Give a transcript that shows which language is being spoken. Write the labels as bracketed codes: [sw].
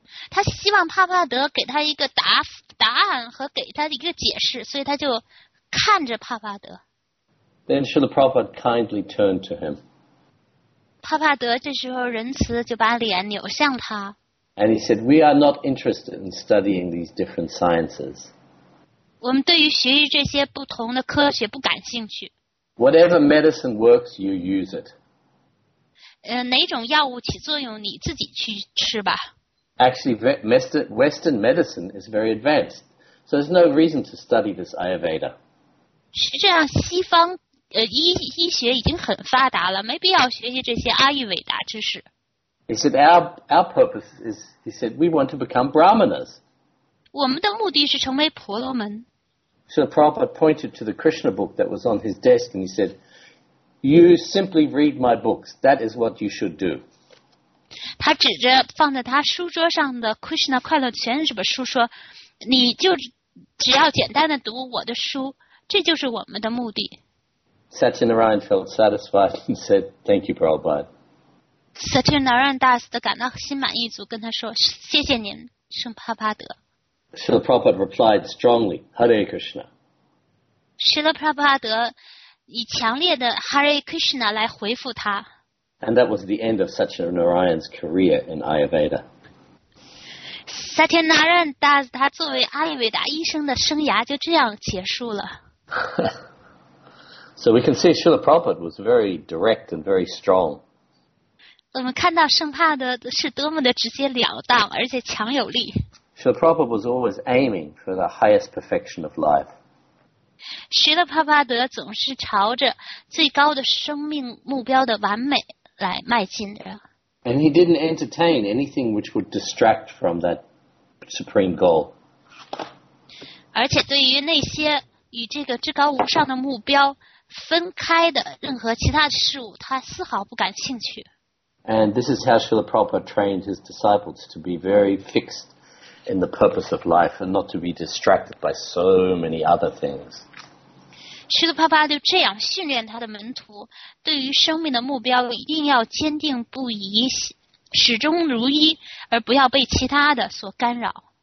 [zh] 他希望帕帕德给他一个答案和给他一个解释，所以他就看着帕帕德。 [en] Then Srila Prabhupada kindly turned to him. [zh] 帕帕德这时候仁慈就把脸扭向他。 [en] And he said, "We are not interested in studying these different sciences." [zh] 我们对于学习这些不同的科学不感兴趣。 [en] Whatever medicine works, you use it. [zh] 哪种药物起作用，你自己去吃吧。 [en] Actually, Western medicine is very advanced, so there's no reason to study this Ayurveda. [zh] 是这样，西方医学已经很发达了，没必要学习这些阿育伟达知识。 [en] He said, "Our purpose is," he said, "we want to become brahmanas." [zh] 我们的目的是成为婆罗门。 [en] So Prabhupada pointed to the Krishna book that was on his desk, and he said, "You simply read my books. That is what you should do." [zh] 他指着放在他书桌上的 Krishna 快乐全这本书说，你就只要简单的读我的书，这就是我们的目的。 [en] Satyanarayan felt satisfied and said, "Thank you, Prabhupada." [zh] Satyanarayan Das 感到心满意足，跟他说，谢谢您，圣帕帕德。 [en] Srila Prabhupada replied strongly, "Hare Krishna." [zh] Srila Prabhupada 以强烈的 Hare Krishna 来回复他。 [en] And that was the end of Satyanarayan's career in Ayurveda. [zh] Satyanarayan Das, 他作为阿育吠达医生的生涯就这样结束了。 [en] So we can see Srila Prabhupada was very direct and very strong. [zh] 我们看到圣帕德是多么的直截了当，而且强有力。 [en] Srila Prabhupada was always aiming for the highest perfection of life. [zh] 学的帕帕德总是朝着最高的生命目标的完美来迈进的。 [en] And he didn't entertain anything which would distract from that supreme goal. [zh] 而且对于那些与这个至高无上的目标分开的任何其他的事物，他丝毫不感兴趣。 [en] And this is how Srila Prabhupada trained his disciples to be very fixed. In the purpose of life, and not to be distracted by so many other things. [zh] Srila Prabhupada 就这样训练他的门徒，对于生命的目标一定要坚定不移，始终如一，而不要被其他的所干扰。